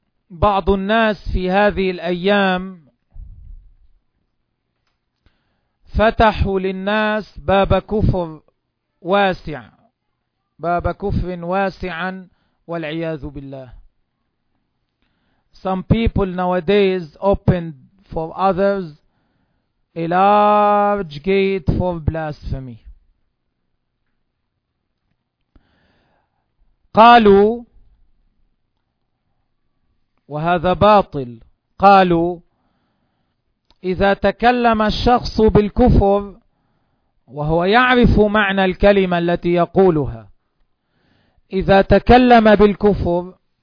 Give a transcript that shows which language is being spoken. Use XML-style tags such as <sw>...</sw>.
<ar>بعض الناس في هذه الأيام فتحوا للناس باب كفر واسع, باب كفر واسعا والعياذ بالله.</ar> <en>Some people nowadays opened for others a large gate for blasphemy.</en> <ar>قالوا وهذا باطل, قالوا إذا تكلم الشخص بالكفر وهو يعرف معنى الكلمة التي يقولها, إذا تكلم بالكفر</ar>